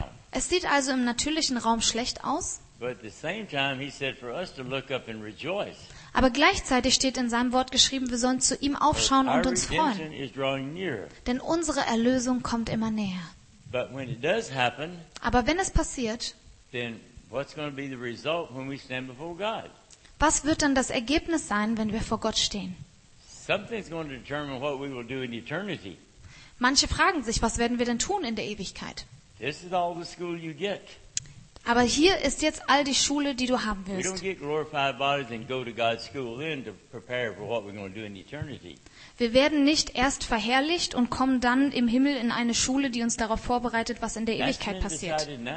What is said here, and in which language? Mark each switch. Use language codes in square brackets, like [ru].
[de] Es sieht also im natürlichen Raum schlecht aus. [en] But at the same time he said for us to look up and rejoice. [de] Aber gleichzeitig steht in seinem Wort geschrieben, wir sollen zu ihm aufschauen und uns freuen. Denn unsere Erlösung kommt immer näher. [en] But when it does happen, [de] aber wenn es passiert, [en] then what's going to be the result when we stand before God? [de] Was wird dann das Ergebnis sein, wenn wir vor Gott stehen? [en] Something's going to determine what we will do in eternity. [de] Manche fragen sich, was werden wir denn tun in der Ewigkeit? [en] This is all the school you get. [de] Aber hier ist jetzt all die Schule, die du haben willst. Wir werden nicht erst verherrlicht und kommen dann im Himmel in eine Schule, die uns darauf vorbereitet, was in der Ewigkeit passiert.